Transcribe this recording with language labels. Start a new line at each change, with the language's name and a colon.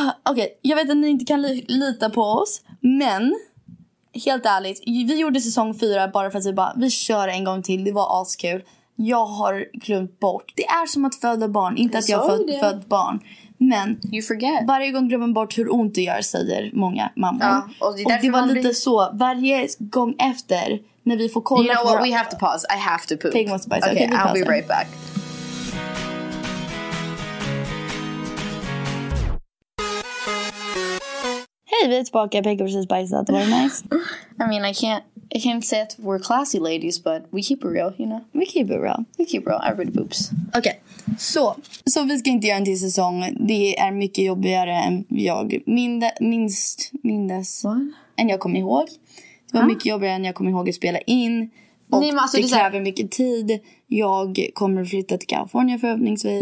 Swedish: Okej, jag vet att ni inte kan lita på oss. Men helt ärligt, vi gjorde säsong 4 bara för att vi kör en gång till. Det var askul. Jag har glömt bort. Det är som att föda barn, inte att jag har född barn. Men
English: you forget.
Swedish: Varje gång glömmer bort hur ont det gör, säger många mammor. Och det var lite så. Varje gång efter när vi får kolla,
English: you know what, we have to pause, I have to poop. Okay, I'll be right back.
Swedish: Hej, vi är tillbaka. Peg har precis bajsat.
English: Very nice. I mean, I can't say that we're classy ladies, but we keep it real, you know? We keep it real. Everybody poops. Okay.
Swedish: Så vi ska inte göra en till säsong. Det är mycket jobbigare än jag minst.
English: What?
Swedish: Än jag kommer ihåg. Det var mycket jobbigare än jag kommer ihåg att spela in. Och nej, alltså, det kräver mycket tid. Jag kommer att flytta till Kalifornien förhoppningsvis.